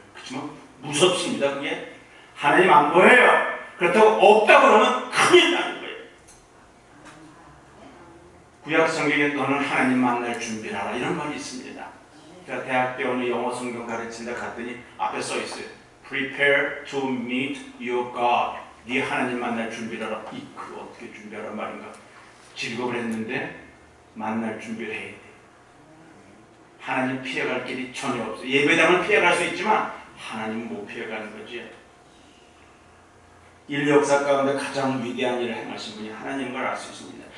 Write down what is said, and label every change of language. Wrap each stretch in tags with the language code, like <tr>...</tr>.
<ko>그렇지만 무섭습니다. 그게 하나님 안 보여요. 그렇다고 없다 그러면 큰일 나는 거예요. 구약 성경에 너는 하나님 만날 준비를 하라 이런 말이 있습니다. 제가 대학 때 오늘 영어 성경 가르친다 갔더니 앞에 써 있어요.</ko> <en>Prepare to meet your God.</en> <ko>네 하나님 만날 준비를 하라. 이 그 어떻게 준비하란 말인가. 즐겁을 했는데 만날 준비를 해야 돼. 하나님 피해갈 길이 전혀 없어요. 예배당을 피해갈 수 있지만 하나님 못 피해가는 거지. 인류 역사 가운데 가장 위대한 일을 행하신 분이 하나님인 걸 알 수 있습니다.</ko>